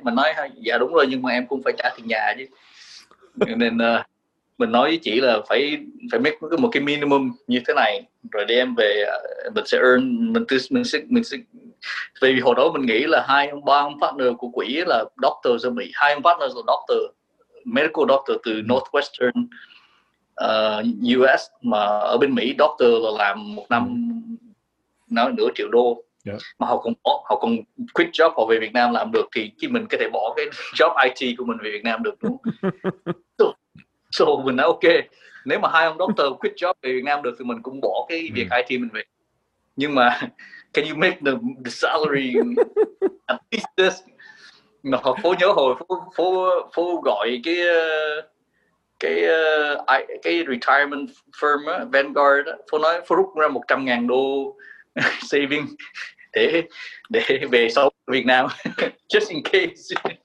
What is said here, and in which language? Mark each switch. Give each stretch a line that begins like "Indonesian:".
Vietnamese: Mình nói, dạ đúng rồi, nhưng mà em cũng phải trả tiền nhà chứ. Nên mình nói với chị là phải make một cái minimum như thế này rồi đem về mình sẽ earn, mình sẽ vì hồi đó mình nghĩ là hai ba ông partner của quỹ là doctor ở Mỹ, hai ông partner là doctor, medical doctor từ Northwestern US, mà ở bên Mỹ doctor là làm một năm nói nửa triệu đô. Mà họ còn quit job, họ về Việt Nam làm được thì mình có thể bỏ cái job IT của mình về Việt Nam được, đúng không? So mình nói ok, nếu mà hai ông doctor quit job về Việt Nam được thì mình cũng bỏ cái việc IT mình về. Nhưng mà
English: can you make the salary at least this?
Vietnamese: Mà Phổ nhớ hồi Phổ gọi cái retirement firm Vanguard, Phổ nói Phổ rút ra 100.000 đô saving để về sau Việt Nam
English: just in case.